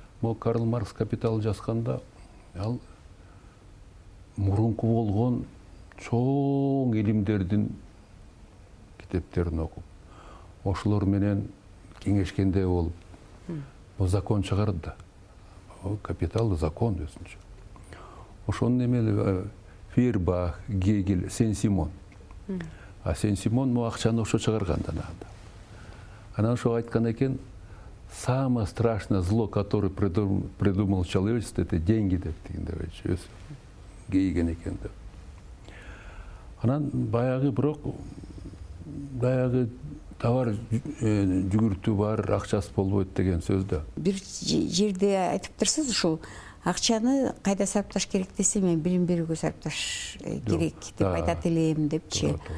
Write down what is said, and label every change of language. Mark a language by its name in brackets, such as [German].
[Kyrgyz] Могу Карл Маркс «Капиталды» жазганда ал мурунку болгон чоң илимдердин китептерин окуп, ошолор менен кеңешкендей болуп, бул закон чыгарды. Бул капиталды закон өзүнчө. Ошонун эми эле Фейербах, Гегель, Сен-Симон. А Сен-Симон могу акчаны ошо чыгарган да анда. Анан ошо айткан экен: [Russian] самое страшное зло, которое придумал человечество, это деньги, [Kyrgyz] деп дегенде өзү кийген экен деп. Анан баягы, бирок баягы товар жүгүртүү бар, акчасы болбойт деген сөз да. Бир жерде айтыптырсыз, ушул акчаны кайда сарпташ керек десе, мен билим берүүгө сарпташ керек деп айтат элем депчи.